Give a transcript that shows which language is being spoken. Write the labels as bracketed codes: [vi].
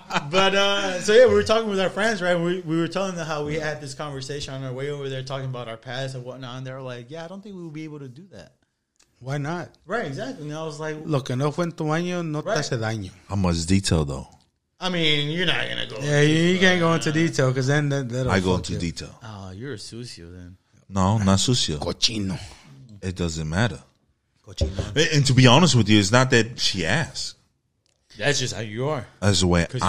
[en] But we were talking with our friends, right? We were telling them how we had this conversation on our way over there, talking about our past and whatnot. And they were like, yeah, I don't think we'll be able to do that. Why not? Right, exactly. And I was like, [es] lo que no fue en tu año, no te hace daño. [en] How much detail, though? I mean, you're not going to go. Yeah, you can't go into detail because then that'll I go into detail. Oh, you're a sucio then. No, not sucio. [es] Cochino. [en] It doesn't matter. [es] Cochino. [en] And to be honest with you, it's not that she asked. That's just how you are. That's the way I am. Because